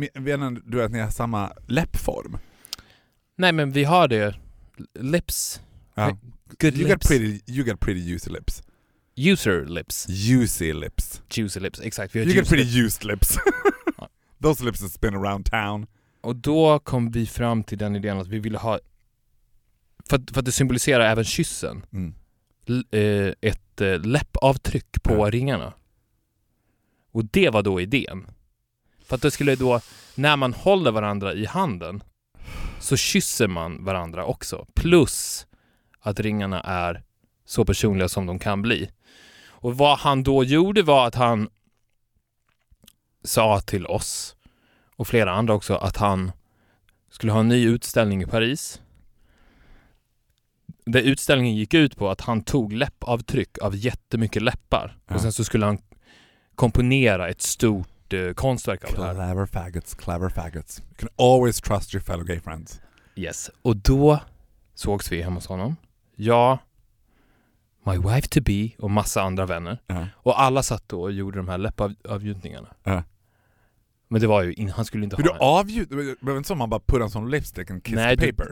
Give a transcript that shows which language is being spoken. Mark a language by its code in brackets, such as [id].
[sv] Menar du att ni har samma läppform? Nej, men vi har det. Lips. [en] Ja. Good you lips. You got pretty juicy lips. User lips. Juicy lips. Juicy lips, exakt. You got pretty used lips. Those lips have been around town. [sv] Och då kom vi fram till den idén att vi ville ha, för att det symboliserar även kyssen, ett läppavtryck på ringarna. Och det var då idén. För att det skulle då, när man håller varandra i handen, så kysser man varandra också. Plus att ringarna är så personliga som de kan bli. Och vad han då gjorde var att han sa till oss och flera andra också att han skulle ha en ny utställning i Paris. Där utställningen gick ut på att han tog läppavtryck av jättemycket läppar. Ja. Och sen så skulle han komponera ett stort konstverk av [en] clever [sv] det här. [en] Clever faggots, clever faggots. You can always trust your fellow gay friends. [sv] Yes, och då sågs vi hemma hos honom. Ja, my wife to be och massa andra vänner. Och alla satt då och gjorde de här läppavgjutningarna. Men det var ju, han skulle inte ha... Men du avgjuter, det var inte så man bara put on some lipstick and kiss the paper.